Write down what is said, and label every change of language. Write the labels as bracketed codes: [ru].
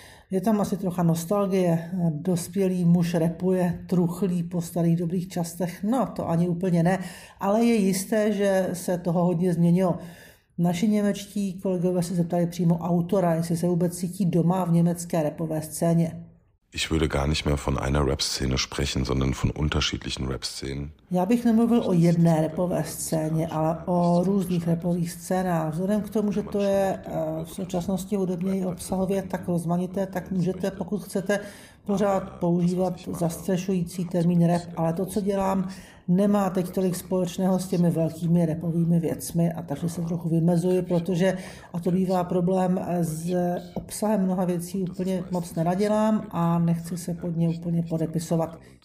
[cs] Je tam asi trocha nostalgie, dospělý muž rapuje, truchlí po starých dobrých častech, no to ani úplně ne, ale je jisté, že se toho hodně změnilo. Naši němečtí kolegové se zeptali přímo autora, jestli se vůbec cítí doma v německé rapové scéně. [de] Ich würde gar nicht mehr von einer Rap-Szene sprechen, sondern von unterschiedlichen Rap-Szenen. [cs] Já bych nemluvil o jedné rapové scéně, ale o různých rapových scénách. Vzhledem k tomu, že to je v současnosti hudebně i obsahově tak rozmanité, tak můžete, pokud chcete, pořád používat zastřešující termín rap, ale to, co dělám, nemá teď tolik společného s těmi velkými rapovými věcmi a takže se trochu vymezuji, protože, a to bývá problém, s obsahem mnoha věcí úplně moc neradělám a nechci se pod ně úplně podepisovat.